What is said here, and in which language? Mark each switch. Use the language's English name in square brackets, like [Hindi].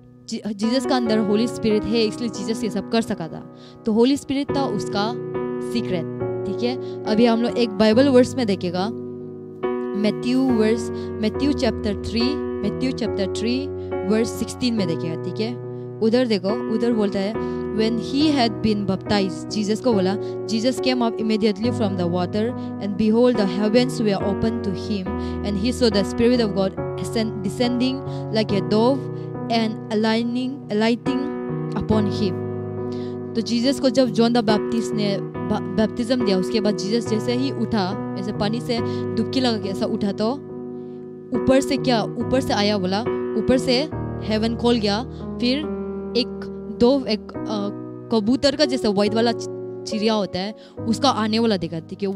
[Hindi] Jesus का अंदर Holi spirit है, इसलिए जीसस ये सब कर सका था। तो होली स्पिरिट था उसका सीक्रेट, ठीक है। अभी हम लोग एक बाइबल वर्स में देखेगा, मैथ्यू चैप्टर थ्री वर्स 16 में देखेगा, ठीक है। उधर देखो, उधर बोलता है, [English] when he had been baptized, Jesus [Hindi] को बोला, [English] Jesus came up immediately from the water, and behold, the heavens were opened to him, and he saw the Spirit of God descending like a dove and alighting upon him. [Hindi] तो Jesus को जब John the Baptist ने baptism दिया, उसके बाद Jesus जैसे ही उठा, ऐसे पानी से डुबकी लगा के ऐसा उठा, तो ऊपर से क्या, ऊपर से आया बोला, ऊपर से heaven खोल गया, फिर एक डोव, एक कबूतर का जैसे व्हाइट वाला चिड़िया होता है, उसका आने वाला दिखा, ठीक है।